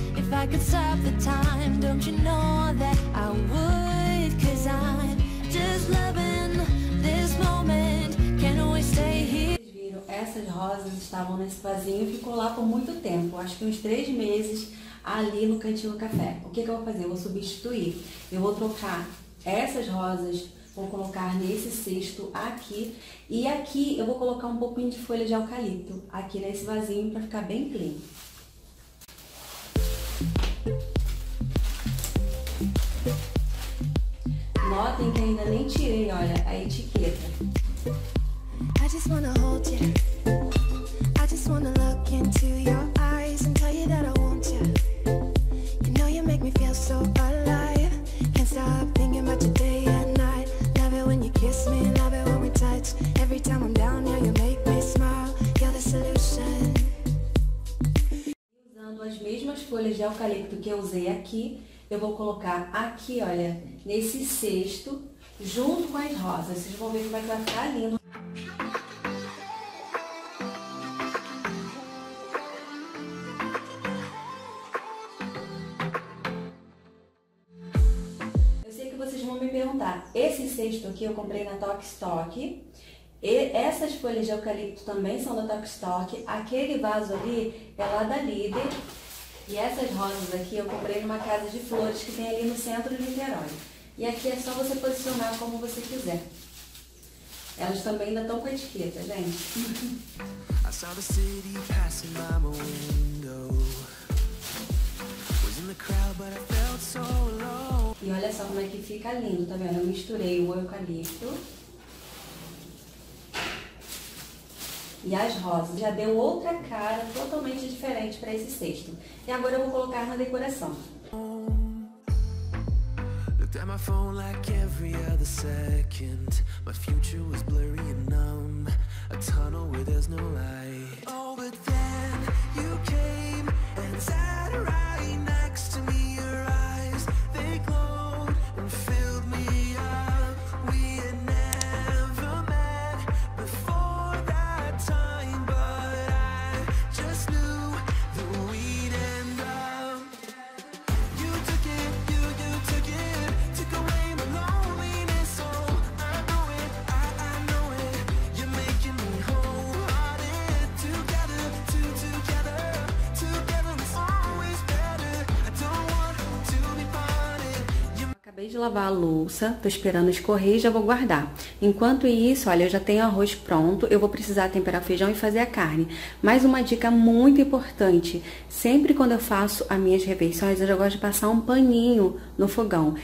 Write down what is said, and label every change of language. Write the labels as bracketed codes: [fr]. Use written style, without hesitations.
[en] I could stop the time, don't you know that I would, 'cause I'm just loving this moment. Can we stay here? [pt] Vocês viram, essas rosas estavam nesse vasinho e ficou lá por muito tempo, acho que uns 3 meses ali no cantinho do café. O que que eu vou fazer? Eu vou substituir. Eu vou trocar essas rosas, vou colocar nesse cesto aqui. E aqui eu vou colocar um pouquinho de folha de eucalipto aqui nesse vasinho pra ficar bem clean. Notem que ainda nem tirei, olha, a etiqueta. [en] I just wanna hold you. I just wanna look into your eyes and tell you that I want you. You know you make me feel so alive. Can't stop thinking about you day and night. Love it when you kiss me, love it when we touch. Every time I'm down here, you make me smile. You're the solution. [pt] Usando as mesmas folhas de eucalipto que eu usei aqui, eu vou colocar aqui, olha, nesse cesto, junto com as rosas. Vocês vão ver como é que vai ficar lindo. perguntar, esse cesto aqui eu comprei na Tokstok, e essas folhas de eucalipto também são da Tokstok, aquele vaso ali é lá da Líder, e essas rosas aqui eu comprei numa casa de flores que tem ali no centro de Niterói. E aqui é só você posicionar como você quiser. Elas também ainda estão com a etiqueta, gente. [en] I saw the city passing by my window. Was in the crowd, but I felt so alone. [pt] E olha só como é que fica lindo, tá vendo? Eu misturei o eucalipto e as rosas. Já deu outra cara totalmente diferente para esse cesto. E agora eu vou colocar na decoração. [en] Looked at my phone like every other second. My future was blurry and numb. A tunnel where there's no light. Oh, but then you came and sat right next to me. Your eyes, they glowed and filled me up. We had never met before that time, but I just knew that we'd end up. You took it, you took it. Took away my loneliness, oh, I know it, I know it. You're making me wholehearted. Together, together. Together is always better. I don't want to be parted. [pt] Acabei de lavar a louça, tô esperando escorrer e já vou guardar. Enquanto isso, olha, eu já tenho arroz pronto, eu vou precisar temperar o feijão e fazer a carne. Mas uma dica muito importante, sempre quando eu faço as minhas refeições, eu já gosto de passar um paninho no fogão.